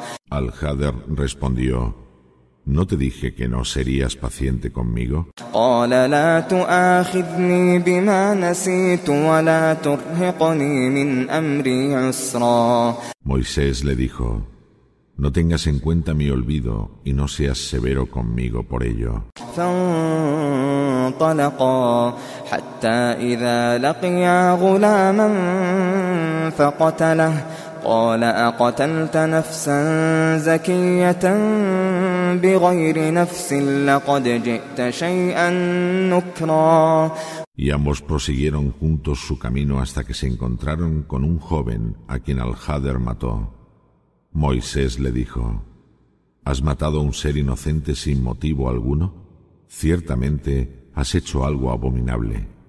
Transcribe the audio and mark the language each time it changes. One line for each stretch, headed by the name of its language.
Spanish: Al-Hadr respondió: ¿No te dije que no serías paciente conmigo? Moisés le dijo, no tengas en cuenta mi olvido y no seas severo conmigo por ello.
Arabic: فانطلقا حتى إذا لقيا غلاما فقتله قال أقتلت نفسا زكية بغير نفس لقد جئت شيئا نكرا.
Spanish: Y ambos prosiguieron juntos su camino hasta que se encontraron con un joven a quien Al-Hadr mató. Moisés le dijo, ¿has matado a un ser inocente sin motivo alguno? Ciertamente has hecho algo abominable.